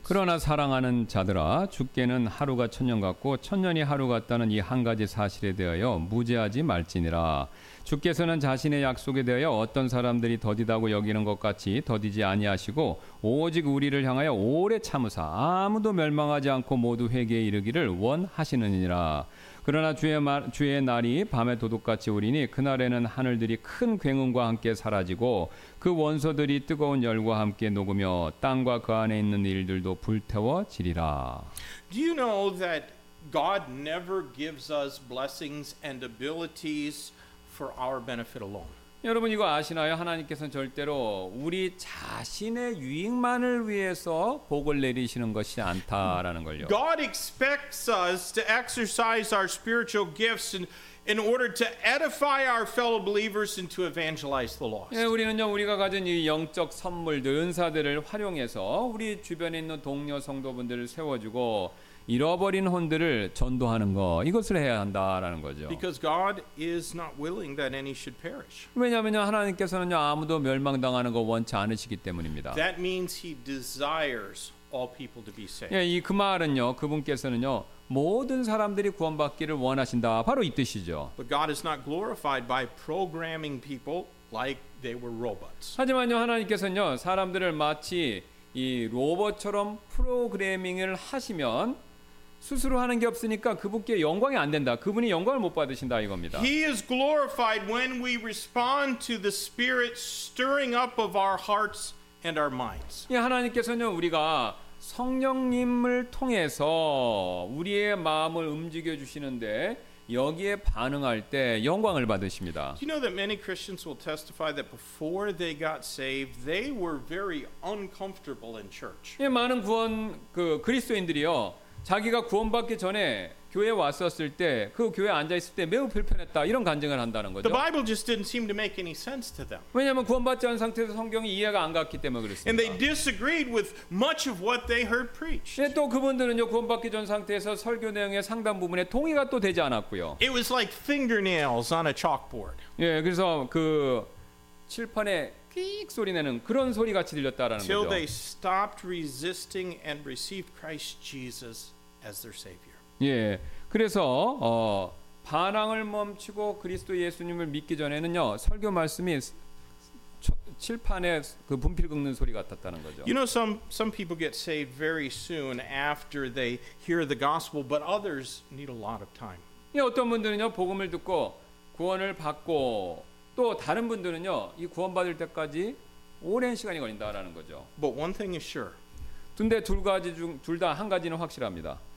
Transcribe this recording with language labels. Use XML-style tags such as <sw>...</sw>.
<ko>그러나 사랑하는 자들아, 주께는 하루가 천년 같고 천년이 하루 같다는 이 한 가지 사실에 대하여 무지하지 말지니라. 주께서는 자신의 약속에 대하여 어떤 사람들이 더디다고 여기는 것 같이 더디지 아니하시고 오직 우리를 향하여 오래 참으사 아무도 멸망하지 않고 모두 회개에 이르기를 원하시느니라. 그러나 주의 날이 밤에 도둑같이 오리니 그날에는 하늘들이 큰 굉음과 함께 사라지고 그 원소들이 뜨거운 열과 함께 녹으며 땅과 그 안에 있는 일들도 불태워지리라.</ko> <en>Do you know that God never gives us blessings and abilities for our benefit alone?</en> <ko>여러분 이거 아시나요? 하나님께서는 절대로 우리 자신의 유익만을 위해서 복을 내리시는 것이 않다라는 걸요.</ko> <en>God expects us to exercise our spiritual gifts in order to edify our fellow believers and to evangelize the lost.</en> <ko>예, 우리는요, 우리가 가진 이 영적 선물들, 은사들을 활용해서 우리 주변에 있는 동료 성도분들을 세워주고 잃어버린 혼들을 전도하는 거, 이것을 해야 한다라는 거죠.</ko> <en>Because God is not willing that any should perish.</en> <ko>왜냐하면요, 하나님께서는요, 아무도 멸망당하는 거 원치 않으시기 때문입니다.</ko> <en>That means he desires all people to be saved.</en> <ko>예, 그 말은요, 그분께서는요, 모든 사람들이 구원받기를 원하신다. 바로 이 뜻이죠.</ko> <en>But God is not glorified by programming people like they were robots.</en> <ko>하지만요, 하나님께서는요, 사람들을 마치 이 로봇처럼 프로그래밍을 하시면 스스로 하는 게 없으니까 그분께 영광이 안 된다. 그분이 영광을 못 받으신다 이겁니다.</ko> <en>He is glorified when we respond to the Spirit stirring up of our hearts and our minds.</en> <ko>예, 하나님께서는 우리가 성령님을 통해서 우리의 마음을 움직여 주시는데 여기에 반응할 때 영광을 받으십니다.</ko> <en>Do you know that many Christians will testify that before they got saved, they were very uncomfortable in church.</en> <ko>예, 많은 구원 그 그리스도인들이요, 자기가 구원받기 전에 교회 왔었을 때 그 교회 앉아 있을 때 매우 불편했다 이런 간증을 한다는 거죠.</ko> <en>The Bible just didn't seem to make any sense to them.</en> <ko>왜냐하면 구원받지 않은 상태에서 성경이 이해가 안 갔기 때문에 그렇습니다.</ko> <en>And they disagreed with much of what they heard preached.</en> <ko>예, 또 그분들은요 구원받기 전 상태에서 설교 내용의 상당 부분에 동의가 또 되지 않았고요.</ko> <en>It was like fingernails on a chalkboard.</en> <ko>예, 그래서 그 칠판에 끽 소리 내는 그런 소리 같이 들렸다라는 거죠.</ko> <en>Till they stopped resisting and received Christ Jesus as their Savior.</en> <ko>예, 그래서 반항을 멈추고 그리스도 예수님을 믿기 전에는요 설교 말씀이 칠판에 그 분필 긁는 소리 같았다는 거죠.</ko> <en>You know, some people get saved very soon after they hear the gospel, but others need a lot of time.</en> <ko>예, 어떤 분들은요 복음을 듣고 구원을 받고 또 다른 분들은요 이 구원 받을 때까지 오랜 시간이 걸린다라는 거죠.</ko> <en>But one thing is sure.</en> <ko>근데 둘 가지 중 둘 다 한 가지는 확실합니다.</ko>